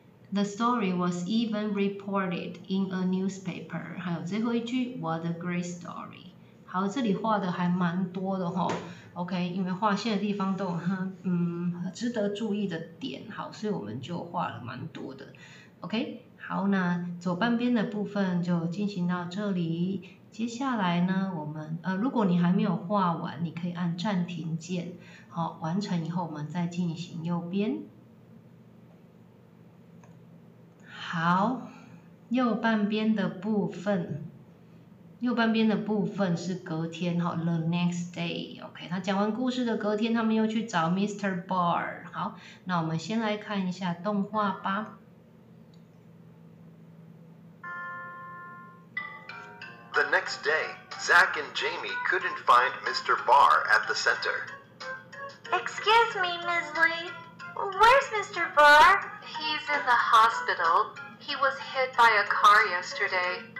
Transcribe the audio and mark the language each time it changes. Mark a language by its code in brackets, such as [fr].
[en] The story was even reported in a newspaper. [zh] 还有最后一句 ， [en] What a great story! [zh] 好，这里画的还蛮多的哈、哦。OK， 因为画线的地方都有很值得注意的点，好，所以我们就画了蛮多的。 OK， 好，那左半边的部分就进行到这里。接下来呢，我们如果你还没有画完，你可以按暂停键，好，完成以后我们再进行右边。好，右半边的部分，右半边的部分是隔天哈 ， [en] the next day。 [zh] OK， 他讲完故事的隔天，他们又去找 Mr. Bar。好，那我们先来看一下动画吧。 [en] The next next day, Zach and Jamie couldn't find Mr. Barr at the center. Excuse me, Ms. Lee. Where's Mr. Barr? He's in the hospital. He was hit by a car yesterday.